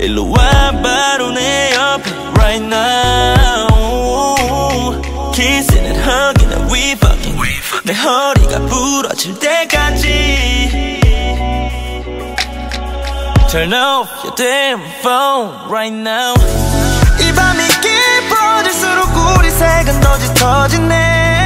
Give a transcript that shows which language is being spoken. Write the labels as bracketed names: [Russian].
[Korean] 일로 와 바로 내 옆에 [English] right now. Kissing and hugging and we fucking. [Korean] 내 허리가 부러질 때까지. [English] Turn off your damn phone right now. [Korean] 이 밤이 깊어질수록 우리 색은 더 짙어지네.